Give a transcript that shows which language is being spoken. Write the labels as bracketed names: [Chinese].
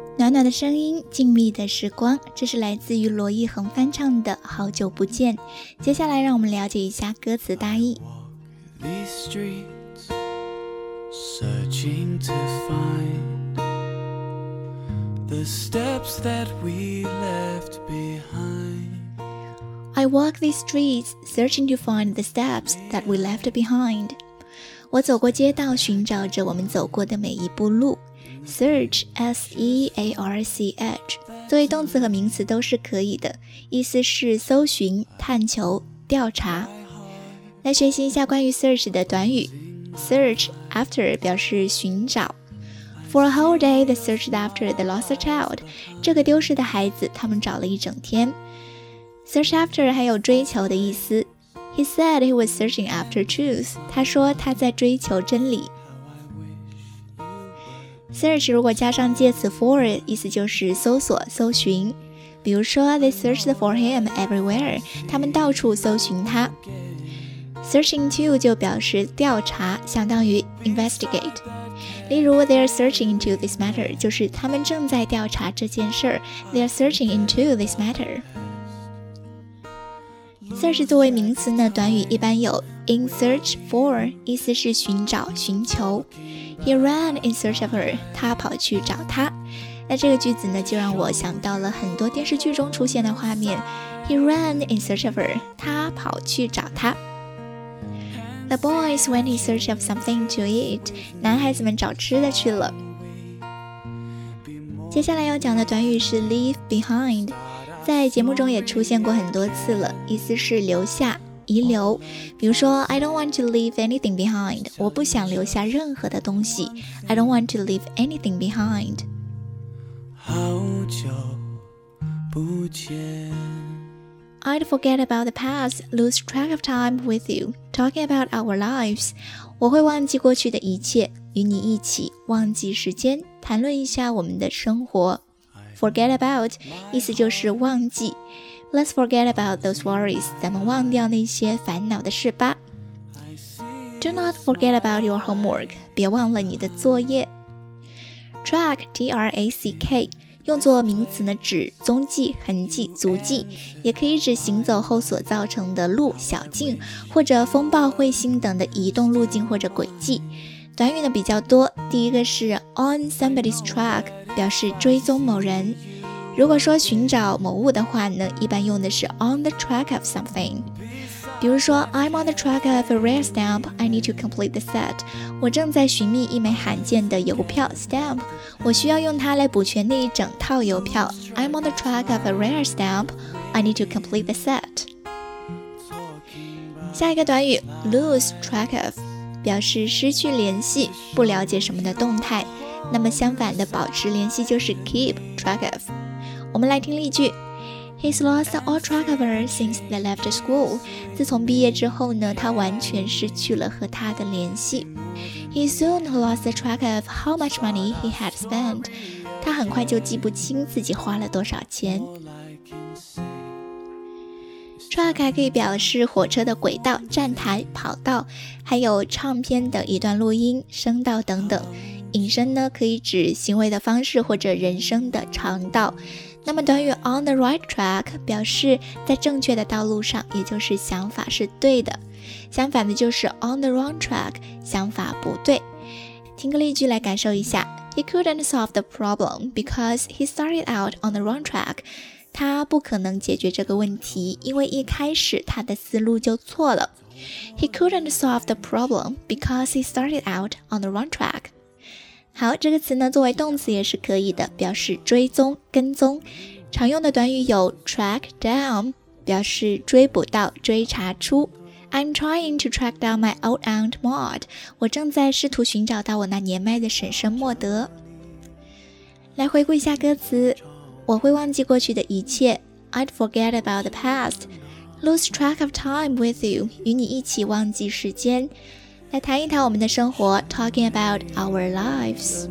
[Chinese] 暖的声音，静谧的时光，这是来自于罗艺恒翻唱的《好久不见》。接下来让我们了解一下歌词大意。 [English] I walk these streets searching to find the steps that we left behind. I walk these streets searching to find the steps that we left behind. [Chinese] 我走过街道，寻找着我们走过的每一步路。 Search, S-E-A-R-C-H, 作为动词和名词都是可以的，意思是搜寻、探求、调查。来学习一下关于 search 的短语。Search after 表示寻找。 [English] For a whole day, they searched after the lost child. [Chinese] 这个丢失的孩子，他们找了一整天。Search after 还有追求的意思。 [English] He said he was searching after truth. [Chinese] 他说他在追求真理。 Search 如果加上介词 for, 意思就是搜索、搜寻。比如说 [English] they searched for him everywhere, [Chinese] 他们到处搜寻他。 Searching to 就表示调查，相当于 investigate。例如 [English] they are searching into this matter, [Chinese] 就是他们正在调查这件事。 [English] They are searching into this matter。 [Chinese] Search 作为名词呢，短语一般有 in search for, 意思是寻找、寻求。 [English] He ran in search of her, [Chinese] 他跑去找她。那这个句子呢，就让我想到了很多电视剧中出现的画面。 [English] He ran in search of her, [Chinese] 他跑去找她。 [English] The boys went in search of something to eat, [Chinese] 男孩子们找吃的去了。接下来要讲的短语是 leave behind, 在节目中也出现过很多次了，意思是留下。遗留，比如说 [English] I don't want to leave anything behind, [Chinese] 我不想留下任何的东西。 [English] I don't want to leave anything behind. [Chinese] 好久不见。 [English] I'd forget about the past, lose track of time with you, talking about our lives. [Chinese] 我会忘记过去的一切，与你一起忘记时间，谈论一下我们的生活。 Forget about 意思就是忘记。 [English] Let's forget about those worries. [Chinese] 咱们忘掉那些烦恼的事吧。 [English] Do not forget about your homework. [Chinese] 别忘了你的作业。 Track, T-R-A-C-K, 用作名词呢，指踪迹、痕迹、足迹，也可以指行走后所造成的路、小径，或者风暴、彗星等的移动路径或者轨迹。短语呢比较多，第一个是 on somebody's track, 表示追踪某人。如果说寻找某物的话呢，一般用的是 on the track of something。 [English] 比如说 I'm on the track of a rare stamp, I need to complete the set。 [Chinese] 我正在寻觅一枚罕见的邮票 stamp, 我需要用它来补全那一整套邮票。 [English] I'm on the track of a rare stamp, I need to complete the set。 [Chinese] 下一个短语 lose track of 表示失去联系、不了解什么的动态，那么相反的保持联系就是 keep track of。我们来听例句。 [English] He's lost all track of her since they left school. [Chinese] 自从毕业之后呢，他完全失去了和她的联系。 [English] He soon lost track of how much money he had spent. [Chinese] 他很快就记不清自己花了多少钱。 Track 还可以表示火车的轨道、站台、跑道，还有唱片的一段录音、声道等等。引申呢，可以指行为的方式或者人生的常道。那么短语 on the right track 表示在正确的道路上，也就是想法是对的。相反的就是 on the wrong track, 想法不对。听个例句来感受一下。 [English] He couldn't solve the problem because he started out on the wrong track. [Chinese] 他不可能解决这个问题，因为一开始他的思路就错了。 [English] He couldn't solve the problem because he started out on the wrong track. [Chinese] 好，这个词呢，作为动词也是可以的，表示追踪、跟踪。常用的短语有 track down, 表示追捕到、追查出。 [English] I'm trying to track down my old aunt Maud. [Chinese] 我正在试图寻找到我那年迈的婶婶莫德。来回顾一下歌词，我会忘记过去的一切。 [English] I'd forget about the past. Lose track of time with you. [Chinese] 与你一起忘记时间。来谈一谈我们的生活 [English] Talking about our lives。